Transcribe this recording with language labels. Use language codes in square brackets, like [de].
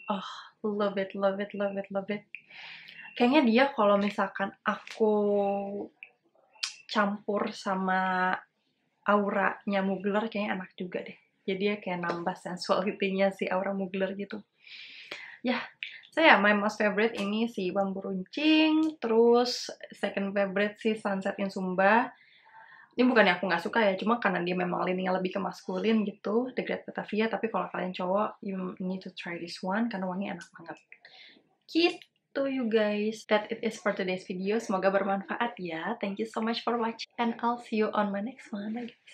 [en] Oh, love it, love it, love it, love it. [id] Kayaknya dia kalau misalkan aku campur sama auranya Mugler, kayaknya enak juga deh. Jadi dia kayak nambah sensuality-nya si aura Mugler gitu. Yeah. [en] So yeah, my most favorite [id] ini si [en] Bambu Runcing. [id] Terus [en] second favorite si Sunset in Sumba. [id] Ini bukannya aku gak suka ya, cuma karena dia memang lininya lebih ke maskulin gitu, The Great Batavia. Tapi kalau kalian cowok, [en] you need to try this one, [id] karena wangi enak banget. [en] Keep to you guys, that it is for today's video. [id] Semoga bermanfaat ya. [en] Thank you so much for watching, and I'll see you on my next one, guys.